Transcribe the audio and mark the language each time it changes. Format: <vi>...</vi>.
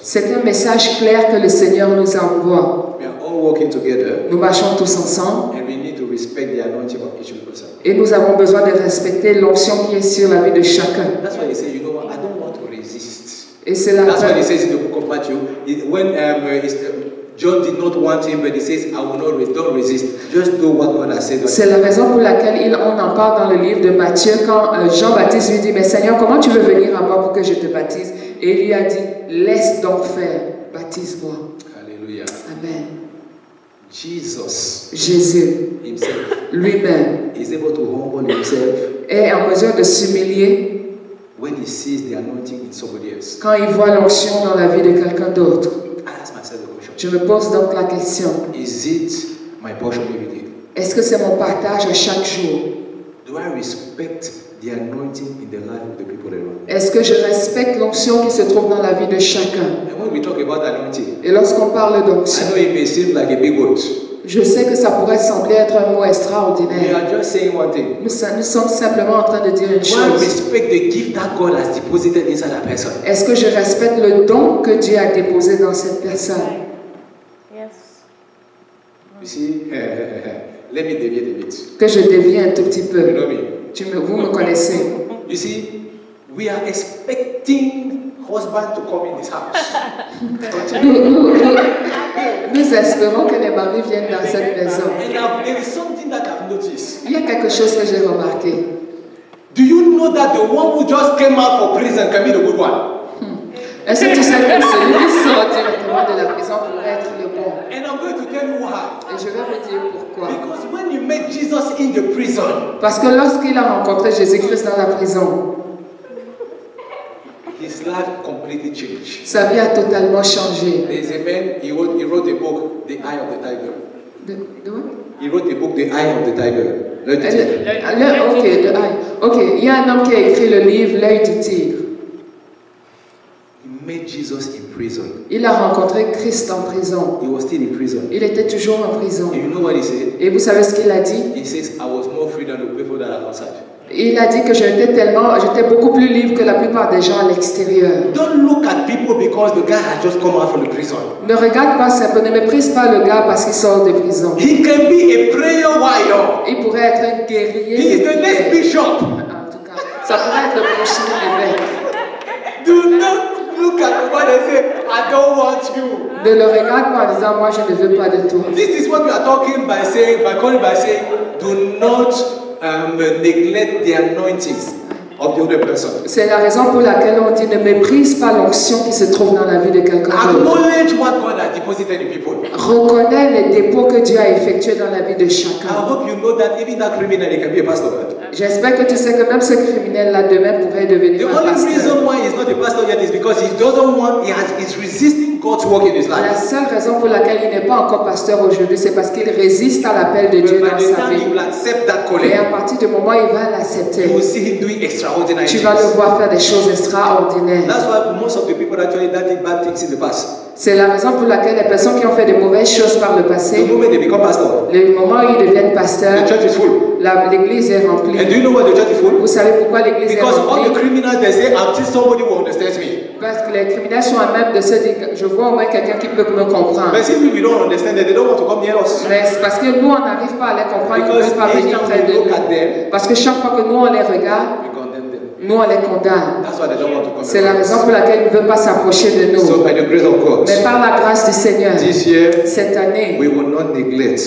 <fr>C'est un message clair que le Seigneur nous envoie.</fr> <en>Walking together,</en> <fr>nous marchons tous ensemble,</fr> <en>and we need to respect the anointing of each person.</en> <fr>Et nous avons besoin de respecter l'onction qui est sur la vie de chacun.</fr> <en>That's why he says, you know, I don't want to resist.</en> <fr>Et c'est là.</fr> <en>That's why he says in the book of Matthew, when John did not want him, but he says, I will not resist. Don't resist. Just do what God has said.</en> <fr>C'est la raison pour laquelle on en parle dans le livre de Matthieu quand Jean-Baptiste lui dit, mais Seigneur, comment tu veux venir à moi pour que je te baptise? Et il lui a dit, laisse donc faire, baptise-moi. Alléluia. Amen. Jésus lui-même</fr> <en>is able to humble himself</en> <fr>est en mesure de s'humilier</fr> <en>when he sees the anointing in somebody else.</en> <fr>Quand il voit l'onction dans la vie de quelqu'un d'autre. Je me pose donc la question.</fr> <en>Is it my portion every day?</en> <fr>Est-ce que c'est mon partage à chaque jour?</fr> <en>Do I respect the anointing in the life of the people around?</en> <fr>Est-ce que je respecte l'onction qui se trouve dans la vie de chacun?</fr> <en>We talk about anointing.</en> <fr>Et lorsqu'on parle d'onction,</fr> <en>I know it may seem like a big word.</en> <fr>Je sais que ça pourrait sembler être un mot extraordinaire.</fr> <en>We are just saying one thing.</en> <fr>Nous sommes simplement en train de dire une chose.</fr> <en>Do I respect the gift that God has deposited inside that person?</en> <fr>Est-ce que je respecte le don que Dieu a déposé dans cette personne?</fr> <en>Yes. You see, let me deviate a bit.</en> <fr>Que je dévie un tout petit peu.</fr> <en>You know me.</en> <fr>Vous me connaissez.</fr> <en>You see, we are expecting husband to come in this house.</en> <fr>nous espérons que les maris viennent dans cette maison.</fr> <en>And there is something that I've noticed.</en> <fr>Il y a quelque chose que j'ai remarqué.</fr> <en>Do you know that the one who just came out of prison can be the good one?</en> <fr>Est-ce que tu sais que celui qui sort directement de la prison pourrait être le bon?</fr> <en>And I'm going to tell you why.</en> <fr>Et je vais vous dire pourquoi.</fr> <en>Because when you met Jesus in the prison.</en> <fr>Parce que lorsqu'il a rencontré Jésus-Christ dans la prison.</fr> <en>His life completely changed.</en> <fr>Sa vie a totalement changé.</fr> <en>There's a man, he wrote a book, The Eye of the Tiger. He wrote a book, The Eye of the Tiger.</en> <fr>Okay, il y a un homme qui a écrit le livre, L'œil du tigre.</fr> <en>Met Jesus in prison.</en> <fr>Il a rencontré Christ en prison.</fr> <en>He was still in prison.</en> <fr>Il était toujours en prison.</fr> <en>And you know what he said?</en> <fr>Et vous savez ce qu'il a dit?</fr> <en>He says, I was more free than the people that are outside.</en> <fr>Il a dit que j'étais beaucoup plus libre que la plupart des gens à l'extérieur.</fr> <en>Don't look at people because the guy has just come out from the prison.</en> <fr>Ne regarde pas, ne méprise pas le gars parce qu'il sort de prison.</fr> <en>He can be a prayer warrior.</en> <fr>Il pourrait être un guerrier.</fr> <en>He is the next bishop.</en> <fr>En tout cas, ça pourrait être le prochain évêque.</fr> <en>Do not look at the one and say, I don't want you.</en> <fr>Ne le regarde pas en disant, moi je ne veux pas de toi.</fr> <en>This is what we are talking by calling, do not neglect the anointing of the other person.</en> <fr>C'est la raison pour laquelle on dit ne méprise pas l'onction qui se trouve dans la vie de quelqu'un.</fr> <en>Acknowledge what God has deposited in people.</en> <fr>Reconnais les dépôts que Dieu a effectués dans la vie de chacun.</fr> <en>I hope you know that even that criminal can be a pastor.</en> <fr>J'espère que tu sais que même ce criminel-là demain pourrait devenir</fr> <en>the</en> <fr>un pasteur.</fr> <en>The only reason why he's not a pastor yet is because he doesn't want, he's resisting God's work in his life.</en> <fr>La seule raison pour laquelle il n'est pas encore pasteur aujourd'hui, c'est parce qu'il résiste à l'appel de Dieu dans sa vie. Et à partir du moment où il va l'accepter,</fr> <en>you will see him doing extraordinary</en> <fr>tu vas le voir faire des choses extraordinaires.</fr> <en>That's why most of the people actually that did bad things in the past.</en> <fr>C'est la raison pour laquelle les personnes qui ont fait de mauvaises choses par le passé, le moment où ils deviennent pasteurs, l'église est remplie.</fr> <en>And do you know why the church is full?</en> <fr>Vous savez pourquoi l'église</fr> <en>Because</en> <fr>est remplie?</fr> <en>Because all the criminals they say, until somebody will understand me.</en> <fr>Parce que les criminels sont à même de se dire, je vois au moins quelqu'un qui peut me comprendre. Mais si nous,</fr> <en>we don't understand, they don't want to come near us.</en> <fr>Mais c'est parce que nous, on n'arrive pas à les comprendre, ils ne veulent pas venir près de nous. Parce que chaque fois que nous, on les regarde,</fr> <en>we condemn them.</en> <fr>Nous, on les condamne.</fr> <en>That's why they don't want to come.</en> <fr>C'est la raison pour laquelle ils ne veulent pas s'approcher de nous.</fr> <en>So by the grace of God,</en> <fr>mais par la grâce du Seigneur,</fr> <en>this year,</en> <fr>cette année,</fr> <en>we will not neglect,</en>